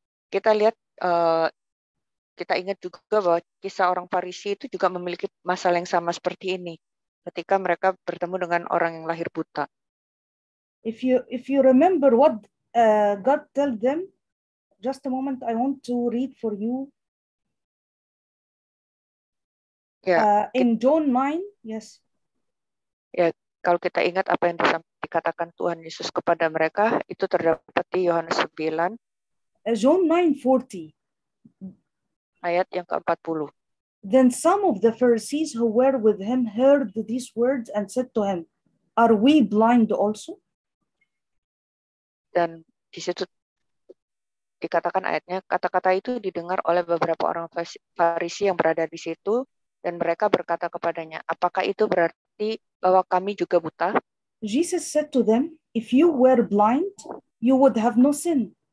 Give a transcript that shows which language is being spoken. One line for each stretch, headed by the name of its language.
Indonesian: Kita lihat, kita ingat juga bahwa kisah orang Farisi itu juga memiliki masalah yang sama seperti ini ketika mereka bertemu dengan orang yang lahir buta.
English: If you remember what God tell them. Just a moment, I want to read for you. John 9, yes.
Indonesian: Ya, kalau kita ingat apa yang dikatakan Tuhan Yesus kepada mereka, itu terdapat di Yohanes 9.
English: John 9:40.
Indonesian: Ayat yang ke-40.
English: Then some of the Pharisees who were with him heard these words and said to him, are we blind also?
Indonesian: Dan di situ dikatakan ayatnya, kata-kata itu didengar oleh beberapa orang Farisi yang berada di situ, dan mereka berkata kepadanya, apakah itu berarti bahwa kami juga buta?
English: Jesus said to them, if you were blind, you would have no sin.